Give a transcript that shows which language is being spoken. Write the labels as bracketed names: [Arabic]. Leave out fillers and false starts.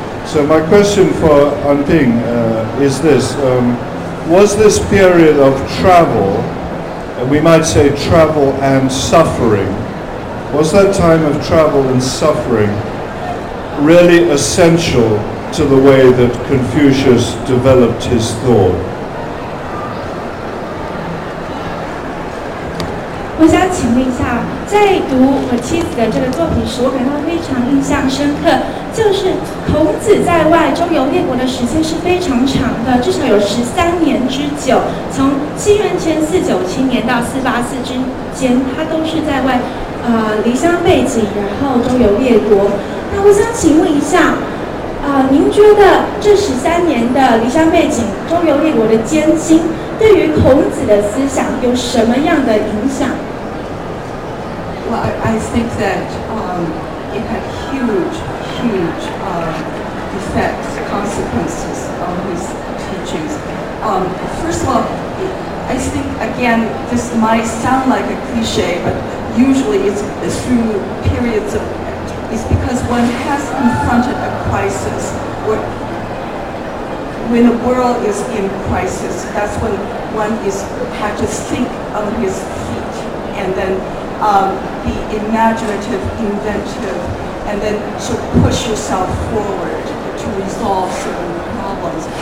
[English] So my question for Anping is this, was this period of travel, and we might say travel and suffering, was that time of travel and suffering really essential to the way that Confucius developed his thought? [Chinese] 我想请问一下，在读我妻子的这个作品时，我感到非常印象深刻，就是孔子在外周游列国的时间是非常长的，至少有13年之久，从西元前497年到484之间，他都是在外，离乡背井，然后周游列国。那我想请问一下，您觉得这13年的离乡背井、周游列国的艰辛，对于孔子的思想有什么样的影响 [English] ？Well, I think that it had huge effects, consequences on his teachings. First of all, I think again this might sound like a cliche, but usually it's through periods of it's because one has confronted a crisis, or when the world is in crisis, that's when one is had to think on his feet, and then be imaginative, inventive, and then to push yourself forward to resolve certain problems.